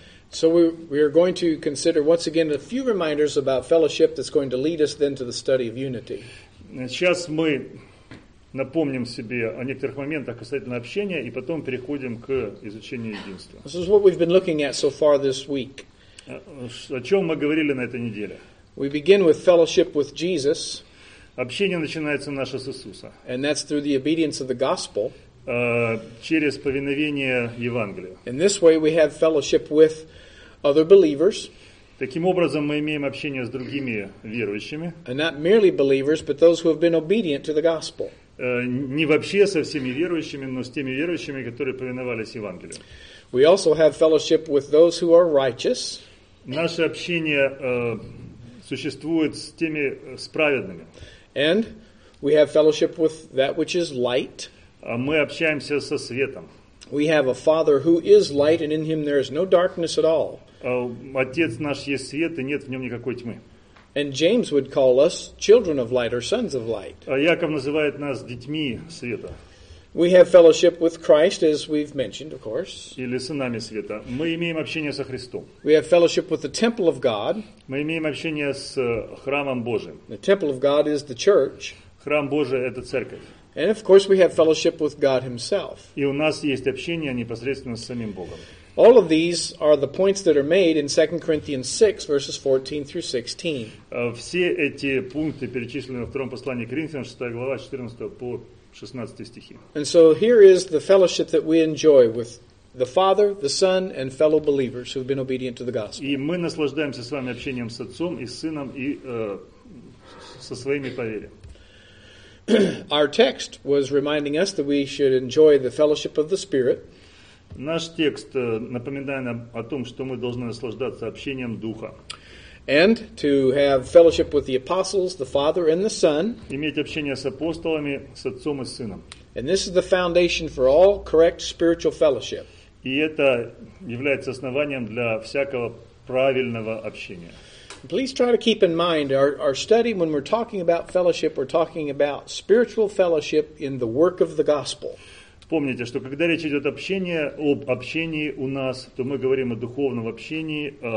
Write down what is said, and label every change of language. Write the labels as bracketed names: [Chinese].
[English] So we are going to consider once again a few reminders about fellowship that's going to lead us then to the study of unity. [Russian] Сейчас мы напомним себе о некоторых моментах касательно общения и потом переходим к изучению единства. [English] This is what we've been looking at so far this week. [Russian] О чем мы говорили на этой неделе? [English] We begin with fellowship with Jesus. [Russian] Общение начинается наше с Иисуса. [English] And that's through the obedience of the gospel. [Russian] Через повиновение Евангелию. [English] In this way we have fellowship with other believers. [Russian] Таким образом мы имеем общение с другими верующими. [English] And not merely believers, but those who have been obedient to the gospel. [Russian] Не вообще со всеми верующими, но с теми верующими, которые повиновались Евангелию. [English] We also have fellowship with those who are righteous. [Russian] Наше общение существует с теми с праведными. [English] And we have fellowship with that which is light. [Russian] Мы общаемся со светом. [English] We have a Father who is light, and in Him there is no darkness at all. [Russian] Отец наш есть свет, и нет в нем никакой тьмы. [English] And James would call us children of light or sons of light. [Russian] Яков называет нас детьми света. [English] We have fellowship with Christ, as we've mentioned, of course. [Russian] Или сынами света. Мы имеем общение со Христом. [English] We have fellowship with the temple of God. [Russian] Мы имеем общение с храмом Божиим. [English] The temple of God is the church. [Russian] Храм Божий – это церковь. [English] And of course, we have fellowship with God Himself. [Russian] И у нас есть общение непосредственно с самим Богом. [English] All of these are the points that are made in 2 Corinthians 6, verses 14 through 16. [Russian] Все эти пункты перечислены во втором послании к Коринфянам, 6 глава, 14 по 16 стихи. [English] And so here is the fellowship that we enjoy with the Father, the Son, and fellow believers who have been obedient to the gospel. [Russian] И мы наслаждаемся с вами общением с Отцом и с Сыном и со своими по вере. [English] Our text was reminding us that we should enjoy the fellowship of the Spirit. [Russian] Наш текст напоминает нам о том, что мы должны наслаждаться общением Духа. [English] And to have fellowship with the apostles, the Father and the Son. [Russian] Иметь общение с апостолами, с Отцом и Сыном. [English] And this is the foundation for all correct spiritual fellowship. [Russian] И это является основанием для всякого правильного общения. [English] Please try to keep in mind our study when we're talking about fellowship, we're talking about spiritual fellowship in the work of the gospel. [Russian] Помните, что когда речь идет общение, об общении у нас, то мы говорим о духовном общении,